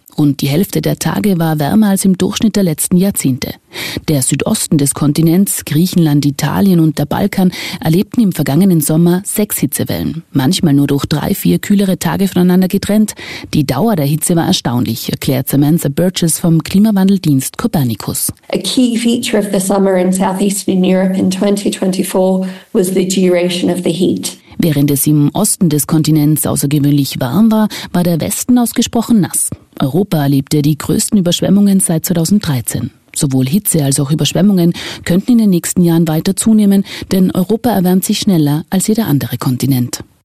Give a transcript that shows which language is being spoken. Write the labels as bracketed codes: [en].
[de] Und die Hälfte der Tage war wärmer als im Durchschnitt der letzten Jahrzehnte. Der Südosten des Kontinents, Griechenland, Italien und der Balkan erlebten im vergangenen Sommer 6 Hitzewellen. Manchmal nur durch 3-4 kühlere Tage voneinander getrennt. Die Dauer der Hitze war erstaunlich, erklärt Samantha Burgess vom Klimawandeldienst Copernicus. [en] A key feature of the summer in southeastern Europe in 2024 was the duration of the heat. [de] Während es im Osten des Kontinents außergewöhnlich warm war, war der Westen ausgesprochen nass. Europa erlebte die größten Überschwemmungen seit 2013. Sowohl Hitze als auch Überschwemmungen könnten in den nächsten Jahren weiter zunehmen, denn Europa erwärmt sich schneller als jeder andere Kontinent.